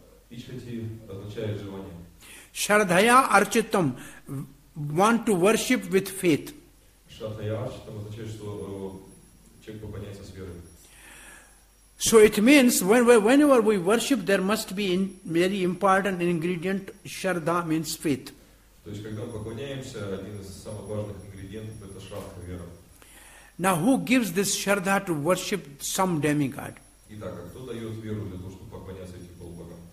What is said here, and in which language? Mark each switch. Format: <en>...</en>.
<ru>Иччати означает желание.</ru> <sa>Шардхая арчитам,</sa> <en>want to worship with faith.</en> <ru>Шардхая арчитам означает, что человек поклоняется с верой.</ru> <en>So it means whenever we worship, there must be in very important ingredient. Shraddha means faith.</en> <ru>То есть когда мы поклоняемся, один из самых важных ингредиентов это шрадха, вера.</ru> <en>Now who gives this shraddha to worship some demigod?</en> <ru>Итак, кто дает веру для того, чтобы поклоняться этим полубогам?</ru>